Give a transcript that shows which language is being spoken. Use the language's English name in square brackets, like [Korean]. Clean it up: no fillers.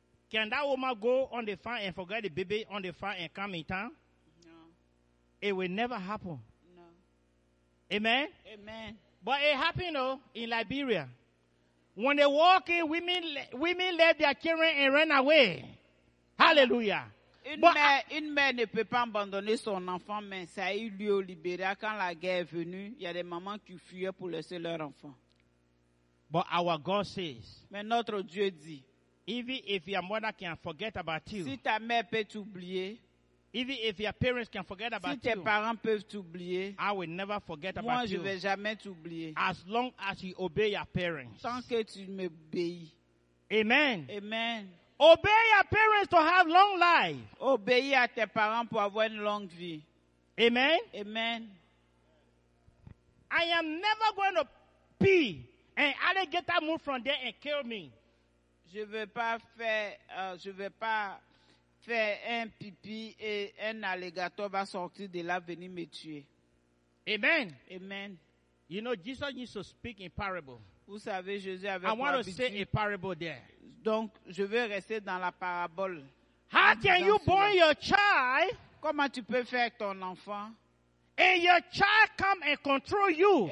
[English] Can that woman go on the farm and forget the baby on the farm and come in town? No. It will never happen. No. Amen? Amen. But it happened, though, in Liberia. When they walk in, women left their children and ran away. Hallelujah. [French] Une mère ne peut pas abandonner son enfant, mais ça a eu lieu au Liberia. Quand la guerre est venue, il y a des mamans qui fuyaient pour laisser leur enfant. [English] But our God says, [French] mais notre Dieu dit, [English] even if your mother can forget about you, [French] si ta mère peut t'oublier, [English] even if your parents can forget about [French] si tes [English] you, [French] parents peuvent t'oublier, [English] I will never forget [French] moi [English] about [French] je [English] you. [French] Vais jamais t'oublier. [English] As long as you obey your parents. [French] Tant que tu m'obéis. Amen. Amen. [English] Obey your parents to have long life. [French] Obéis à tes parents pour avoir une longue vie. Amen. Amen. [English] I am never going to pee and alligator move from there and kill me. [French] Je vais pas faire un pipi et un alligator va sortir de là venir me tuer. Amen. Amen. [English] You know, Jesus used to speak in parable. [French] Vous savez, Jésus avait [English] I want to say a parable there. [French] Donc, je veux rester dans la parabole. [English] How can you born your child? [French] Comment tu peux faire ton enfant? [English] And your child come and control you.